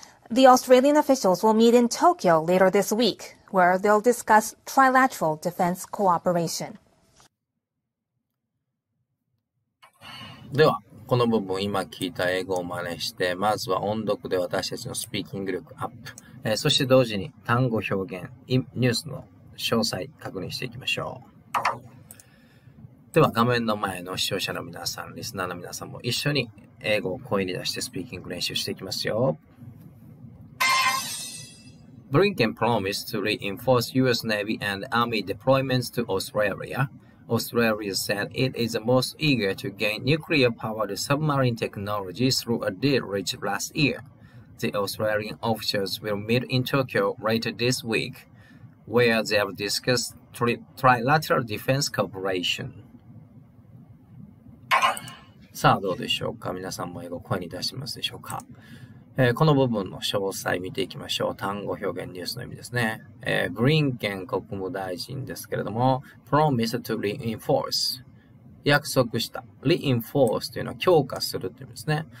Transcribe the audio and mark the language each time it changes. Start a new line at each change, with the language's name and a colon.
English: The Australian officials will meet in Tokyo later this week, where they'll discuss trilateral defense cooperation.
Japanese: では、この部分、今聞いた英語を真似して、まずは音読で私たちのスピーキング力アップ、そして同時に単語表現、ニュースの詳細確認していきましょう。では、画面の前の視聴者の皆さん、リスナーの皆さんも一緒に英語を声に出してスピーキング練習していきますよ。
English: ブリンケン promised to reinforce US Navy and Army deployments to Australia。 Australia said it is most eager to gain nuclear-powered submarine technology through a deal reached last year. the Australian officials will meet in Tokyo later this week, where they have discussed trilateral defense cooperation.
Japanese: さあどうでしょうか。皆さんも英語声に出してますでしょうか。この部分の詳細見ていきましょう。単語表現ニュースの意味ですね。ブリンケン国務大臣ですけれども、
English: promise to reinforce。
Japanese: 約束した。 reinforce というのは強化するという意味ですね。